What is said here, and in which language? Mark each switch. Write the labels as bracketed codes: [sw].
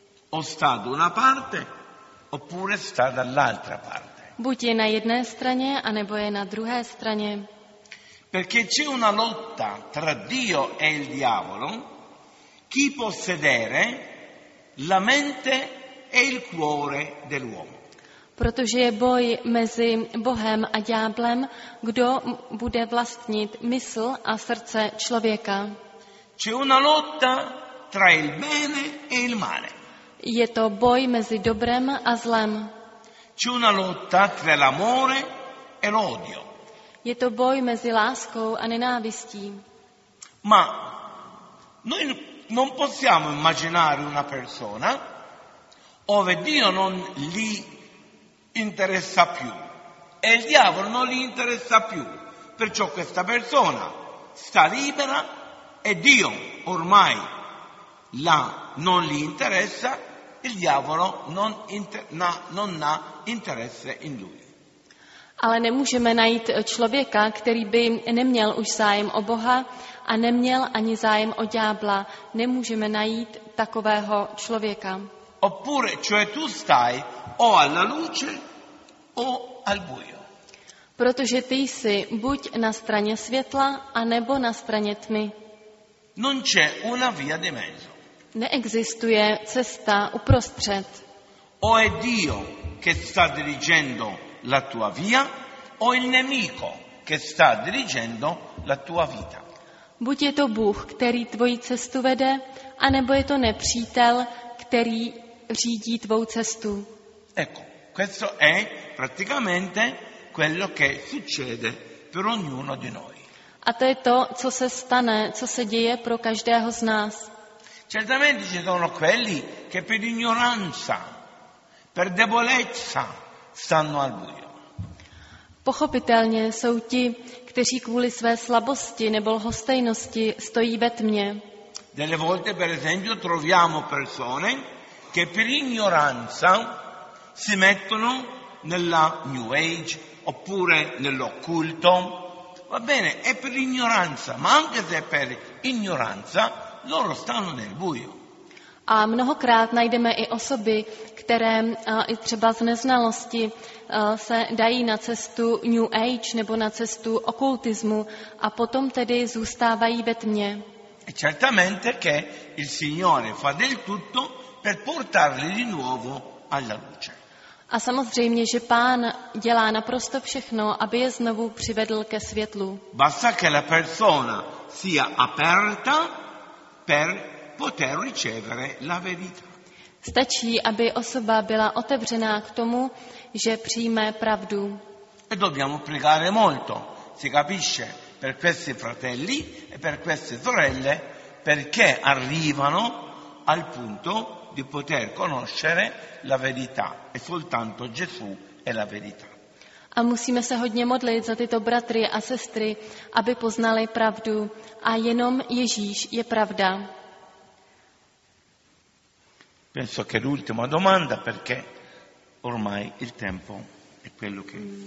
[it] O sta da una parte oppure sta dall'altra parte. [cs] Buď je na jedné straně a nebo je na druhé straně. [it] Perché c'è una lotta tra Dio e il diavolo, chi può sedere la mente e il cuore dell'uomo. [cs] Protože je boj mezi Bohem a ďáblem, kdo bude vlastnit mysl a srdce člověka. [it] C'è una lotta tra il bene e il male. [cs] Je to boj mezi dobrem a zlem. [it] C'è una lotta tra l'amore e l'odio. [cs] Je to boj mezi láskou a nenávistí. [it] Ma noi non possiamo immaginare una persona ove Dio non li interessa più e il diavolo non gli interessa più, perciò questa persona sta libera e Dio ormai la non gli interessa, il diavolo non ha interesse in lui. [cs] Ale nemůžeme najít člověka, který by neměl už zájem o Boha a neměl ani zájem o ďábla. Nemůžeme najít takového člověka. [it] Oppure cioè tu stai o alla luce o al buio. [cs] Protože ty jsi buď na straně světla, anebo na straně tmy. [it] Non c'è una via di mezzo. [cs] Neexistuje cesta uprostřed. [it] O è Dio che sta dirigendo la tua via, o il nemico che sta dirigendo la tua vita. [cs] Buď je to Bůh, který tvoji cestu vede, anebo je to nepřítel, který řídí tvou cestu. [it] Ecco, questo è praticamente quello che succede per ognuno di noi. [cs] A to je to, co se stane, co se děje pro každého z nás. [it] Certamente ci sono quelli che per ignoranza, per debolezza stanno al buio. [cs] Pochopitelně jsou ti, kteří kvůli své slabosti nebo lhostejnosti stojí ve tmě. [it] Delle volte, per esempio, troviamo persone che per ignoranza si mettono nella New Age oppure nell'occulto. Va bene, è per ignoranza, ma anche se è per ignoranza, loro stanno nel buio. [cs] A mnohokrát najdeme i osoby, které i třeba z neznalosti se dají na cestu New Age nebo na cestu okultismu a potom tedy zůstávají ve tmě. [it] E certamente che il Signore fa del tutto per portarli di nuovo alla luce. [cs] A samozřejmě, že Pán dělá naprosto všechno, aby je znovu přivedl ke světlu. [it] Basta che la persona sia aperta per poter ricevere la verità. [cs] Stačí, aby osoba byla otevřená k tomu, že přijme pravdu. [it] E dobbiamo pregare molto, si capisce, per questi fratelli e per queste sorelle, perché arrivano al punto di poter conoscere la verità, e soltanto Gesù è la verità. [cs] A musíme se hodně modlit za tyto bratry a sestry, aby poznali pravdu, a jenom Ježíš je pravda. [it] Penso che l'ultima domanda, perché ormai il tempo è quello che...